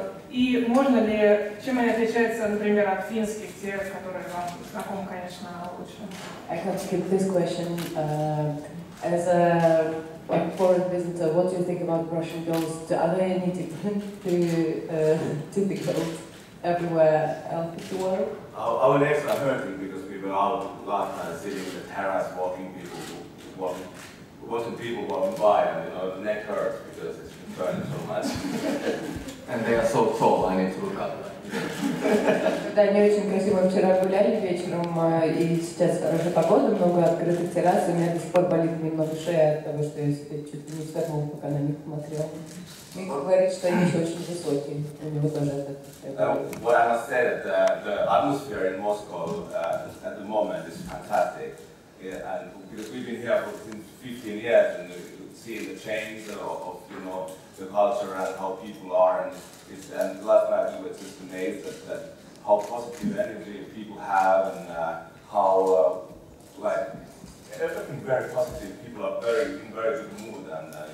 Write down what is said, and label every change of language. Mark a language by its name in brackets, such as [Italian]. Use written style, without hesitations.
[Russian] И можно ли, чем они отличаются, например, от финских, те, которые вам знакомы, конечно, лучше? [English] I can skip this question. As a foreign visitor, what do you think about Russian girls? Are they any different to typical everywhere else in the world? Our legs are hurting because we were out last night sitting in the terrace walking people walking. Watching people walking by, and you know the neck hurts because it's been turning so much. And they are so tall. I need to look up. [Russian] Да, не очень красиво. Вчера гуляли вечером, и сейчас хорошая погода, много открытых террас. У меня до сих пор болит немного шея от того, что я чуть не свернул, пока на них смотрел. И говорит, что они очень высокие. У него тоже это. [English] What I must say that the atmosphere in Moscow at the moment is fantastic. Yeah, and because we've been here for 15 years and seeing the change of you know the culture and how people are and last night we were just amazed at how positive energy people have and how like everything very positive. People are very in very good mood and